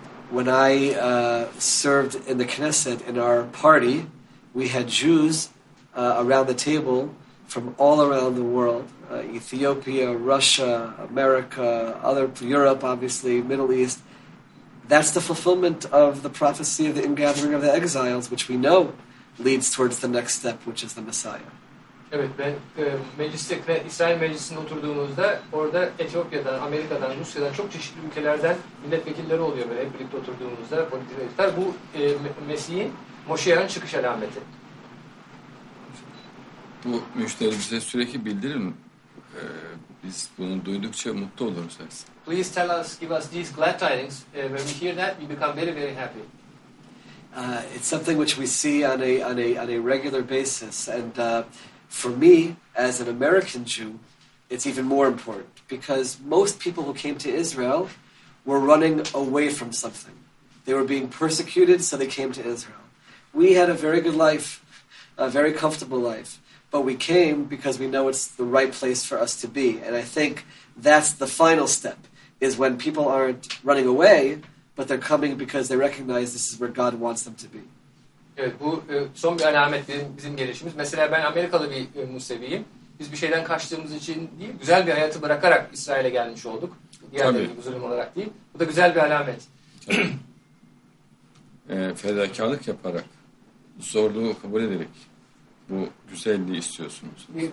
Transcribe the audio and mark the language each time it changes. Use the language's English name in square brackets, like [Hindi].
[English] When I served in the Knesset in our party, we had Jews around the table from all around the world, Ethiopia, Russia, America, other Europe, obviously, Middle East. That's the fulfillment of the prophecy of the ingathering of the exiles, which we know leads towards the next step, which is the Messiah. [Turkish] Evet, ben mecliste, İsrail meclisinde oturduğumuzda orada Etiyopya'dan, Amerika'dan, Rusya'dan, çok çeşitli ülkelerden milletvekilleri oluyor böyle hep birlikte oturduğumuzda. Politikler. Bu Mesih'in, Moşiyah'ın çıkış alameti. Bu müşteri bize sürekli bildirin. Biz bunu duydukça mutlu oluruz. [English] Please tell us, give us these glad tidings. When we hear that, we become very, very happy. It's something which we see on a regular basis. And for me, as an American Jew, it's even more important. Because most people who came to Israel were running away from something. They were being persecuted, so they came to Israel. We had a very good life, a very comfortable life. But we came because we know it's the right place for us to be. And I think that's the final step, is when people aren't running away, but they're coming because they recognize this is where God wants them to be. [Turkish] Evet, bu son bir alamet bizim gelişimiz. Mesela ben Amerikalı bir Museviyim. Biz bir şeyden kaçtığımız için değil, güzel bir hayatı bırakarak İsrail'e gelmiş olduk. Diğerleri huzurum olarak değil. Bu da güzel bir alamet. Fedakarlık yaparak, zorluğu kabul ederek, bu güzelliği istiyorsunuz.